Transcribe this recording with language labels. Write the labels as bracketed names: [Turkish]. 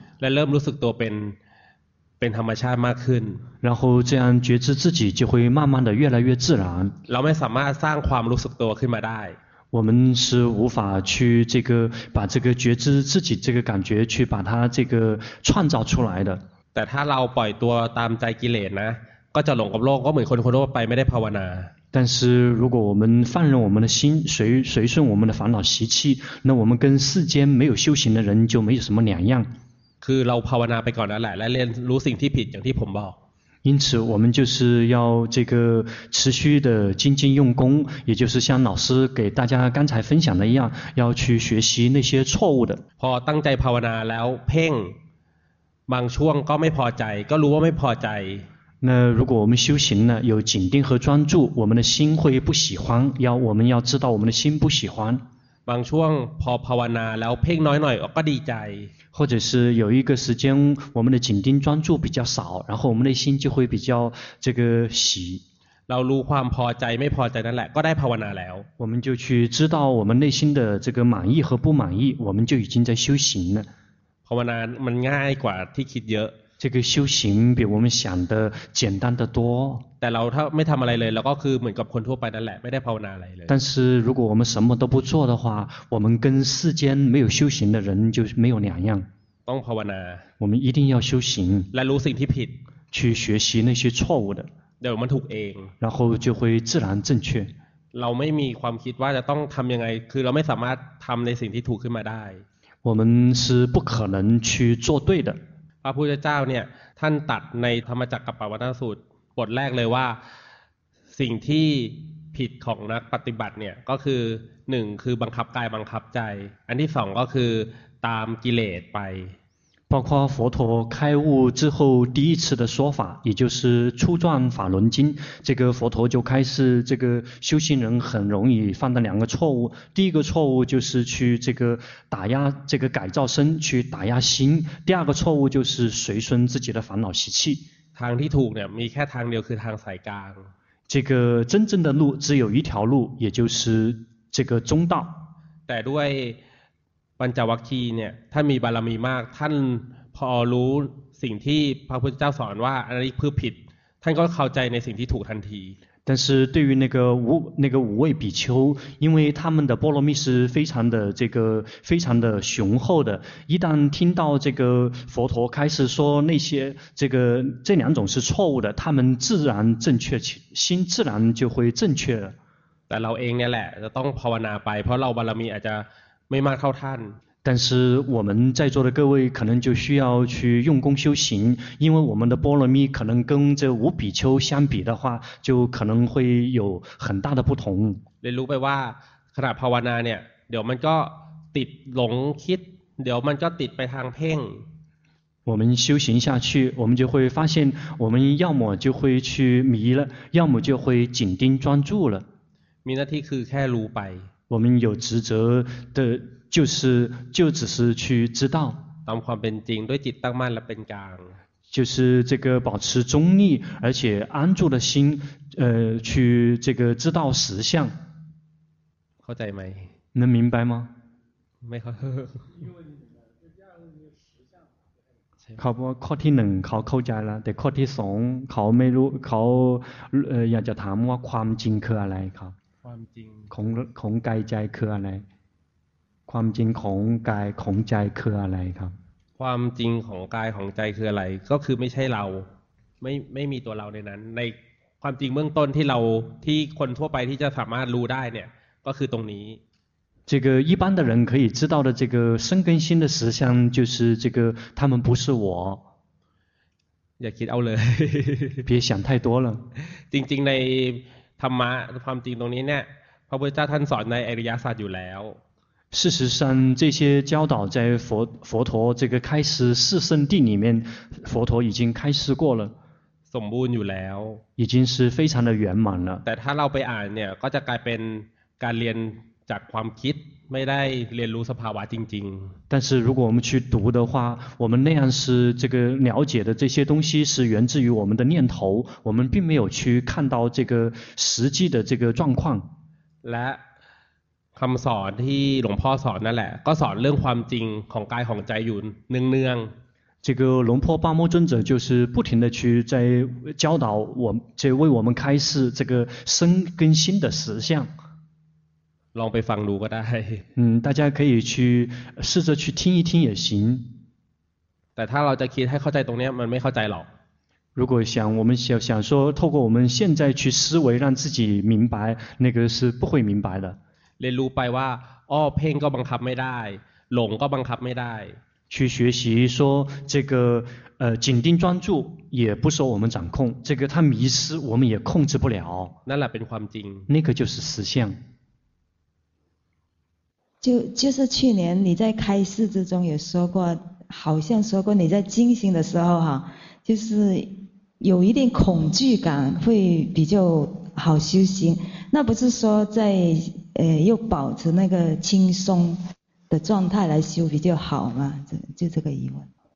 [Thai] และเริ่มรู้สึกตัวเป็นธรรมชาติมากขึ้น [Chinese] 然后这样觉知自己就会慢慢的越来越自然 [Thai] เราไม่สามารถสร้างความรู้สึกตัวขึ้นมาได้ [Chinese] 我们是无法去这个把这个觉知自己这个感觉去把它这个创造出来的。 [Thai] แต่ถ้าเราปล่อยตัวตามใจกิเลสนะก็จะหลงกับโลกก็เหมือนคนทั่วไปไม่ได้ภาวนา。 [Chinese] 但是如果我们放任我们的心随顺我们的烦恼习气，那我们跟世间没有修行的人就没有什么两样。 [Thai] คือเราภาวนาไปก่อนแล้วแหละและเรียนรู้สิ่งที่ผิดอย่างที่ผมบอก。 [Chinese] 因此我们就是要这个持续的精进用功也就是像老师给大家刚才分享的一样要去学习那些错误的 [Thai] พอตั้งใจภาวนาแล้วเพ่งบางช่วงก็ไม่พอใจก็รู้ว่าไม่พอใจ [Chinese] 那如果我们修行呢有紧盯和专注我们的心会不喜欢我们要知道我们的心不喜欢 [Thai] บางช่วงพอภาวนาแล้วเพ่งน้อยหน่อยก็ดีใจ [Chinese] 或者是有一个时间我们的紧盯专注比较少然后我们内心就会比较这个喜 [Thai] เรารู้ความพอใจไม่พอใจนั่นแหละก็ได้ภาวนาแล้ว [Chinese] 我们就去知道我们内心的这个满意和不满意我们就已经在修行了 [Thai] ภาวนามันง่ายกว่าที่คิดเยอะ [Chinese] 这个修行比我们想的简单的多 [Thai] แต่เราถ้าไม่ทำอะไรเลยเราก็คือเหมือนกับคนทั่วไปนั่นแหละไม่ได้ภาวนาอะไรเลย [Chinese] 但是如果我们什么都不做的话我们跟世间没有修行的人就没有两样 [Thai] ต้องภาวนา [Chinese] 我们一定要修行 [Thai] และรู้สิ่งที่ผิด [Chinese] 去学习那些错误的 [Thai] เดี๋ยวมันถูกเอง [Chinese] 然后就会自然正确 [Thai] เราไม่มีความคิดว่าจะต้องทำยังไงคือเราไม่สามารถทำในสิ่งที่ถูกขึ้นมาได้ [Chinese] 我们是不可能去做对的 [Thai] พระพุทธเจ้าเนี่ยท่านตัดในธรรมจักรกัปปวัตตสูตรบทแรกเลยว่าสิ่งที่ผิดของนักปฏิบัติเนี่ยก็คือหนึ่งคือบังคับกายบังคับใจอันที่สองก็คือตามกิเลสไป [Chinese] 包括佛陀开悟之后第一次的说法也就是初转法轮经这个佛陀就开始这个修行人很容易犯的两个错误第一个错误就是去这个打压这个改造身去打压心第二个错误就是随顺自己的烦恼习气 [Thai] ทางที่ถูกเนี่ยมีแค่ทางเดียวคือทางสายกลาง [Chinese] 这个真正的路只有一条路也就是这个中道 [Thai] แต่ด้วยปัญจวัคคีย์เนี่ยท่านมีบารมีมากท่านพอรู้สิ่งที่พระพุทธเจ้าสอนว่าอันนี้คือผิดท่านก็เข้าใจในสิ่งที่ถูกทันที [Chinese] 但是对于那个五位比丘，因为他们的波罗蜜是非常的这个非常的雄厚的，一旦听到这个佛陀开始说那些这个这两种是错误的，他们自然正确心自然就会正确了。 [Thai] แต่เราเองเนี่ยแหละจะต้องภาวนาไปเพราะเราบารมีอาจจะไม่มากเท่าท่าน [Chinese] 但是我们在座的各位可能就需要去用功修行，因为我们的波罗蜜可能跟这五比丘相比的话，就可能会有很大的不同。你 [Thai] รู้ไปว่าขณะภาวนาเนี่ยเดี๋ยวมันก็ติดหลงคิดเดี๋ยวมันก็ติดไปทางเพ่ง [Chinese] 我们修行下去，我们就会发现，我们要么就会去迷了，要么就会紧盯专注了。 [Thai] มีหน้าที่คือแค่รู้ไป。 [Chinese] 我们有职责的。就只是去知道 [Thai] ตามความเป็นจริงด้วยจิตตั้งมั่นและเป็นกลาง [Chinese] 就是这个保持中立而且安住的心去这个知道实相 [Thai] เข้าใจไหม [Chinese] 能明白吗 [Thai] ไม่ครับ เขาบอกข้อที่หนึ่งเขาเข้าใจแล้วแต่ข้อที่สองเขาไม่รู้เขาอยากจะถามว่าความจริงคืออะไรครับ ความจริง ของกายใจคืออะไรความจริงของกายของใจคืออะไรครับ ความจริงของกายของใจคืออะไรก็คือไม่ใช่เราไม่มีตัวเราในนั้นในความจริงเบื้องต้นที่เราที่คนทั่วไปที่จะสามารถรู้ได้เนี่ยก็คือตรงนี้ [Chinese] 这个一般的人可以知道的这个生根心的实相就是这个他们不是我 [Thai] อย่าคิดเอาเลย [Chinese] 别想太多了 [Thai] จริงๆในธรรมะความจริงตรงนี้เนี่ยพระพุทธเจ้าท่านสอนในอริยสัจอยู่แล้ว [Chinese] 事实上这些教导在 佛陀这个开示四圣地里面佛陀已经开示过了 [Thai] สมบูรณ์อยู่แล้ว [Chinese] 已经是非常的圆满了 [Thai] แต่ถ้าเราไปอ่านเนี่ยก็จะกลายเป็นการเรียนจากความคิดไม่ได้เรียนรู้สภาวะจริง [Chinese] ๆ但是如果我们去读的话我们那样是这个了解的这些东西是源自于我们的念头我们并没有去看到这个实际的这个状况 [Thai] และคำสอนที่หลวงพ่อสอนนั่นแหละก็สอนเรื่องความจริงของกายของใจอยู่เนือง [Chinese] ๆ这个龙婆巴摩尊者就是不停的去在教导我在为我们开示这个身跟心的实相 [Thai] ลองไปฟังดูก็ได้ [Chinese] 大家可以去试着去听一听也行 [Thai] แต่ถ้าเราจะคิดให้เข้าใจตรงนี้มันไม่เข้าใจหรอก [Chinese] 如果想我们想说透过我们现在去思维让自己明白那个是不会明白的 [Thai] เรียนรู้ไปว่าอ้อเพ่งก็บังคับไม่ได้หลงก็บังคับไม่ได้ [Chinese] 去学习说这个紧盯专注也不受我们掌控这个它迷失我们也控制不了 [Thai] นั่นแหละเป็นความจริง [Chinese] 那个就是实相就是去年你在开示之中也说过好像说过你在进行的时候哈就是有一点恐惧感会比较好修行那不是说在又保持那个轻松的状态来修比较好嘛就这个疑问